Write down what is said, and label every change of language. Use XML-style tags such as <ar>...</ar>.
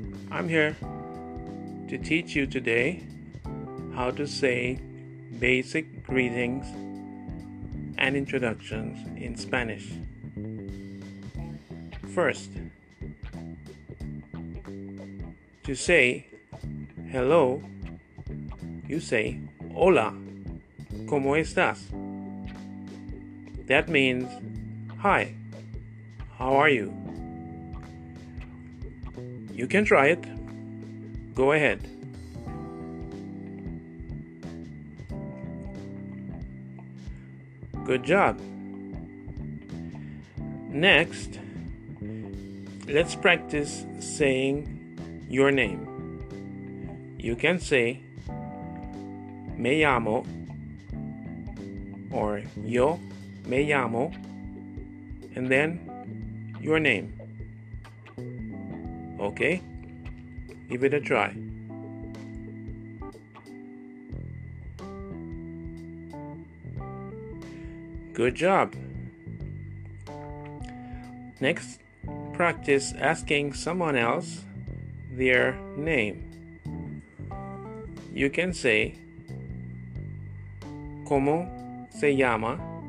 <en>I'm here to teach you today how to say basic greetings and introductions in Spanish. First, to say hello, you say</en> <es>hola, ¿cómo estás?</es> <en>That means hi, how are you? You can try it. Go ahead. Good job. Next, let's practice saying your name. You can say</en> <es>me llamo</es> <en>or</en> <es>yo me llamo</es> <en>and then your name. Okay, give it a try. Good job. Next, practice asking someone else their name. You can say,</en> <es>¿Cómo se llama?</es>